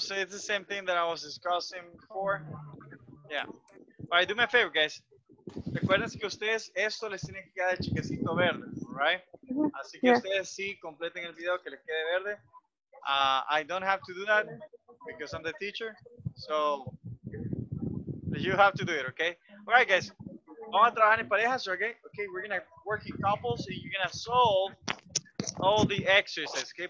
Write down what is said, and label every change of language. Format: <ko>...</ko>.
<en>So it's the same thing that I was discussing before. Yeah. All right. Do me a favor, guys.</en> <es>Recuerden que ustedes esto les tiene que quedar el chiquecito verde, right? Así que ustedes sí completen el video que les quede verde.</es> <en>I don't have to do that because I'm the teacher. So. You have to do it, okay? All right, guys.</en> <es>Vamos a trabajar en parejas, okay?</es> <en>Okay, we're going to work in couples, and you're going to solve all the exercises, okay?</en>